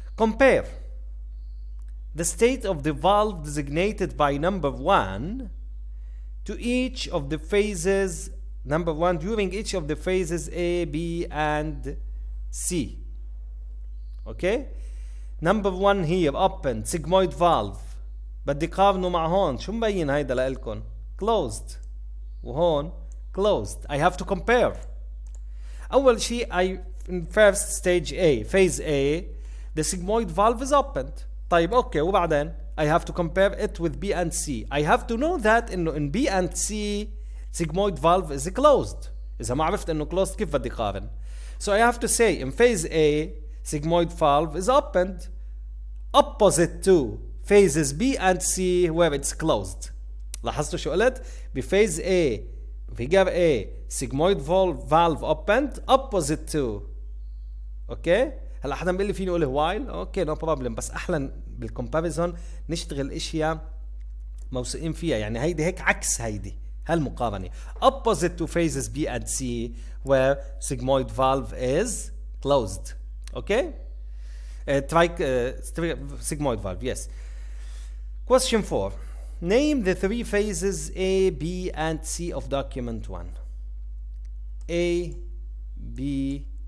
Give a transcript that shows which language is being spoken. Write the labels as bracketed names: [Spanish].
[English] Compare the state of the valve designated by number one to each of the phases, number one, during each of the phases A, B, and C. Okay? Number one here, opened, sigmoid valve. [Arabic] But the قارنوا مع هون, شو مبين هيدا لإلكن? [English] Closed. وهون, closed. I have to compare. [Arabic] أول شيء [English] in first stage A, phase A, the sigmoid valve is opened. [Arabic] طيب أوكي وبعدين [English] I have to compare it with B and C. I have to know that in B and C, sigmoid valve is closed. [Arabic] إذا ما عرفت إنه closed كيف بدي قارن. [English] So I have to say in phase A, sigmoid valve is opened opposite to phases B and C where it's closed. [Arabic] لاحظتوا شو قلت? [English] بphase A, figure A, sigmoid valve opened opposite to. Okay? [Arabic] هلا حدا بيقول لي فيني اقول while? [English] Okay, no problem. [Arabic] بس احلى بالcomparison نشتغل اشياء موسوقين فيها. يعني هيدي هيك عكس هيدي. هالمقارنة. [English] Opposite to phases B and C where sigmoid valve is closed. Okay? Sigmoid valve, yes. Question 4. Name the three phases A, B, and C of document 1. A, B,